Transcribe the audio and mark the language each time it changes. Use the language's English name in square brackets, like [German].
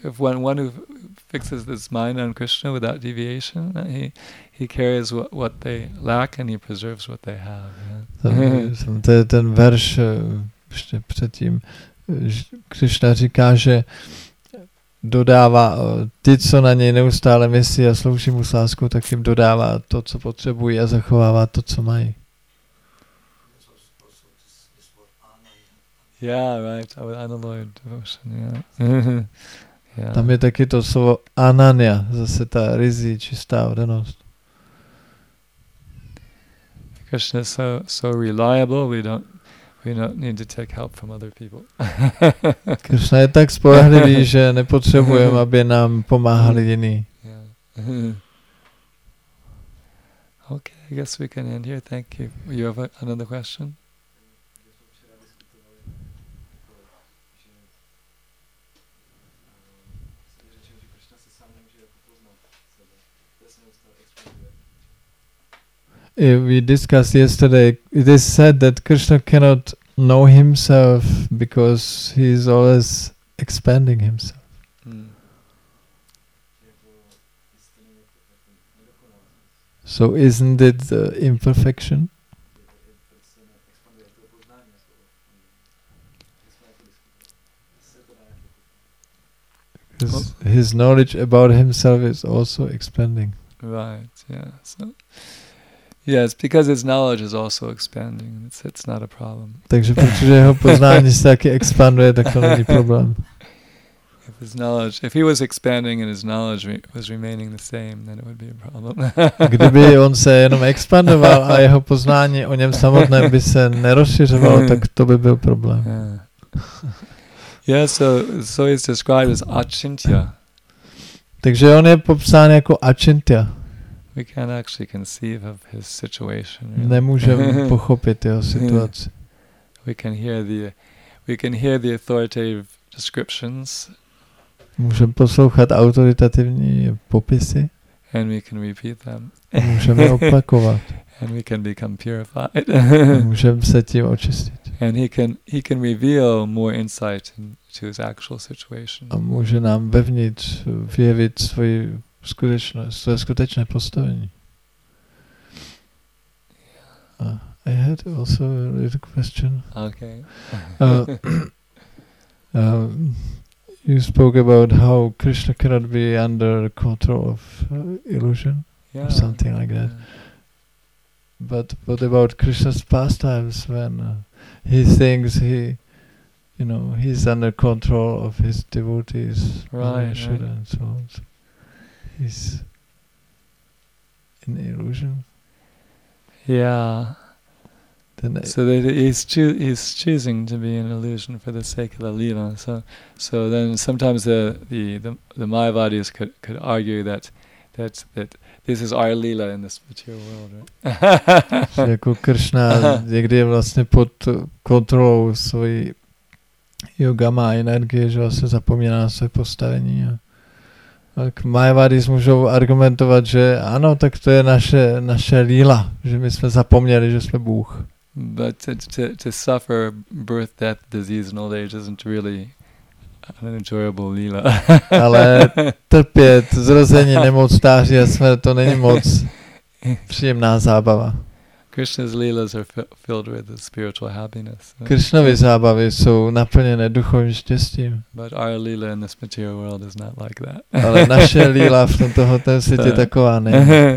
[English] If one who fixes his mind on Krishna without deviation, he carries what they lack and he preserves what they have. [Czech] To je ten verš ještě předtím. Krishna říká, že dodává ty, co na něj neustále myslí a slouží mu s láskou, tak jim dodává to, co potřebují a zachovává to, co mají. [English] Yeah, right. Unalloyed devotion. Yeah. [Czech] Tam je taky to slovo ananya, zase ta ryzí čistá oddanost. [English] Krishna is so reliable. We don't need to take help from other people. [Czech] Krishna je tak spolehlivý, že nepotřebujeme, aby nám pomáhali jiní. [English] Yeah. Okay, I guess we can end here. Thank you. You have another question? We discussed yesterday, it is said that Krishna cannot know himself because he is always expanding himself. So isn't it the imperfection? His knowledge about himself is also expanding. Right, yeah. So yes, because his knowledge is also expanding. It's not a problem. [Czech] Takže protože jeho poznání se taky expanduje, tak to není problém. [English] If his knowledge, if he was expanding and his knowledge was remaining the same, then it would be a problem. [Czech] Kdyby on se jenom expandoval a jeho poznání o něm samotném by se nerozšiřovalo, tak to by byl problém. [English] Yeah, so he's described as Achintya. [Czech] Takže on je popsán jako Achintya. [English] We can't actually conceive of his situation. Really. [Czech] Nemůžeme pochopit jeho situaci. [English] We can hear the authoritative descriptions. [Czech] Můžeme poslouchat autoritativní popisy. [English] And we can repeat them. [Czech] Můžeme opakovat. [English] And we can become purified. [Czech] Můžeme se tím očistit. [English] And he can reveal more insight into his actual situation. [Czech] A může nám vevnitř vyjevit své skutečné postavení. [English] I had also a little question. Okay. You spoke about how Krishna cannot be under control of illusion, yeah, or something like that. But what about Krishna's pastimes when he thinks he's under control of his devotees, right. And so on. So he's in illusion. Yeah. So he's choosing to be an illusion for the sake of the lila. So then sometimes the Mayavadis could argue that this is our lila in this material world. Right? [Czech] Jako Krishna někdy vlastně pod kontrolou své yogama energie, že se zapomíná na své postavení. Tak Mayavadis můžou argumentovat, že ano, tak to je naše lila, že my jsme zapomněli, že jsme Bůh. [English] But to suffer birth, death, disease, and old age isn't really an enjoyable lila. [Czech] Ale trpět zrození, nemoc, stáří a smrt, to není moc příjemná zábava. [English] Krishna's lilas are filled with spiritual happiness. [Czech] Krishnovy zábavy jsou naplněné duchovním štěstím. [English] But our lila in this material world is not like that. [Czech] Ale naše lila v tomto světě taková není.